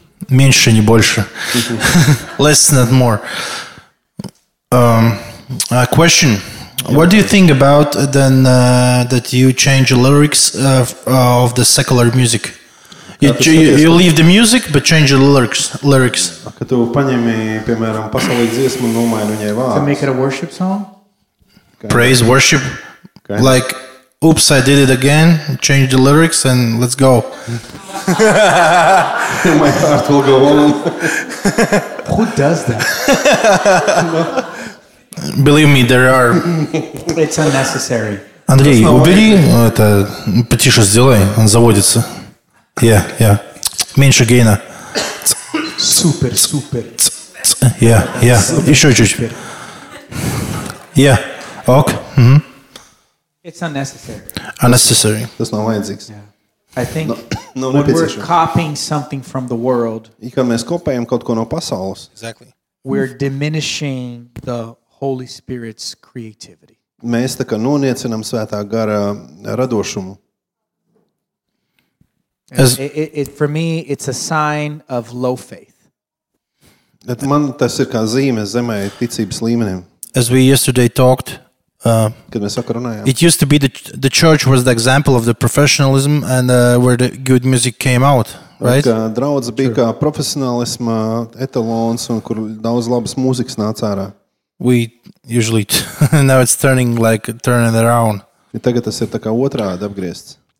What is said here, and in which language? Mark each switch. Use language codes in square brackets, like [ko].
[ru] Меньше, не больше. [en] Less, not more. A question. What do you think about then that you change the lyrics of the secular music? You leave the music, but change the lyrics. [lv] Kad tu paņemi, piemēram, pasaulīgu dziesmu un nomaini viņai vārdus. [en] To make it a worship song? Praise, worship. Like, oops, I did it again, change the lyrics and let's go. My heart will go on. Who does that? Believe me, there are. It's unnecessary. [ru] Андрей, убери это, потише сделай, он заводится. Yeah. Меньше гейна. [en] Super, super. Yeah. [ru] Еще чуть-чуть. [en] Yeah. Ok. Mm-hmm. It's unnecessary. Unnecessary. That's not why it exists. Yeah. I think when we're copying something from the world, exactly, we're diminishing the Holy Spirit's creativity. [lv] Mēs tā kā noniecinām Svētā Gara radošumu. [en] For me, it's a sign of low faith. [lv] Bet man tas ir kā zīme zemē ticības līmenim. [en] As we yesterday talked, it used to be the church was the example of the professionalism and where the good music came out, right? [lv] Kā draudz bija kā profesionālisma etalons un kur daudz labas mūzikas nāca ārā. [en] We usually now it's turning like turning around. [lv] Ja tagad tas ir tā kā otrādi apgriezts.